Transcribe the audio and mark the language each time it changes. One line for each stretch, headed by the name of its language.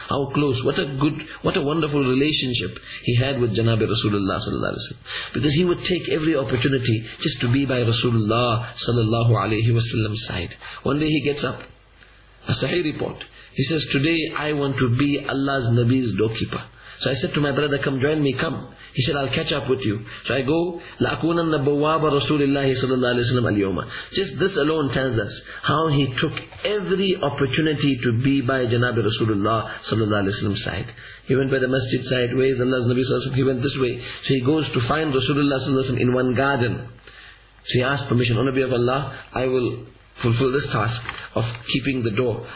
English: How close, what a good, what a wonderful relationship he had with Janabi Rasulullah sallallahu alayhi wa sallam. Because he would take every opportunity just to be by Rasulullah sallallahu alayhi wa sallam's side. One day he gets up, a Sahih report, He says, today I want to be Allah's Nabi's doorkeeper. So I said to my brother, come join me, come. He said, I'll catch up with you. So I go,
Arabic: لَأَكُونَنَّ بَوَّابَ رَسُولِ اللَّهِ صَلَى اللَّهِ عَلَيْهِ وَسَلَّمَ الْيَوْمَ.
English: Just this alone tells us how he took every opportunity to be by Janabi Rasulullah صلى الله عليه وسلم side. He went by the masjid side, where is Allah's Nabi صلى الله عليه وسلم? He went this way. So he goes to find Rasulullah صلى الله عليه وسلم in one garden. So he asked permission, O Nabi of Allah, I will fulfill this task of keeping the door.